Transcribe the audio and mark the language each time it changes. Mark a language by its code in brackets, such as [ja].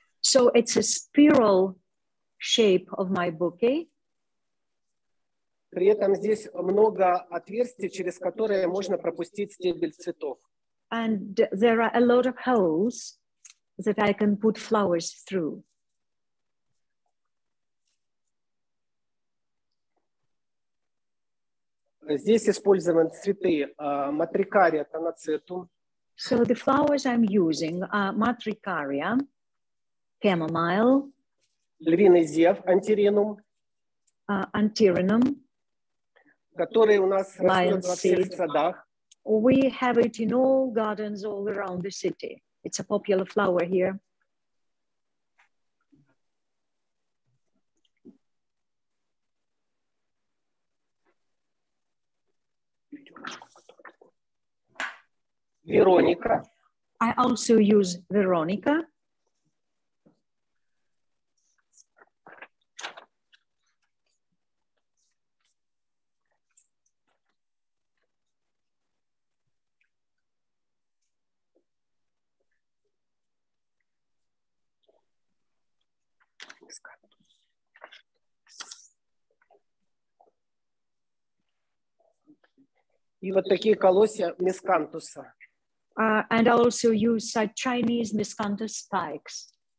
[en] So it's a spiral shape of my bouquet. [ru] При этом здесь много отверстий, через которые можно пропустить стебель цветов. [en] And there are a lot of holes that I can put flowers through. [ru] Здесь использованы цветы матрикария танацетум. [en] So the flowers I'm using are matricaria, chamomile, [ru] львиный зев, антиринум, антиринум, который у нас растет во всех садах. [en] We have it in all gardens all around the city. It's a popular flower here. Veronica. I also use Veronica. [ru] И вот такие колосья мискантуса. [en] And I also use such Chinese miscanthus spikes.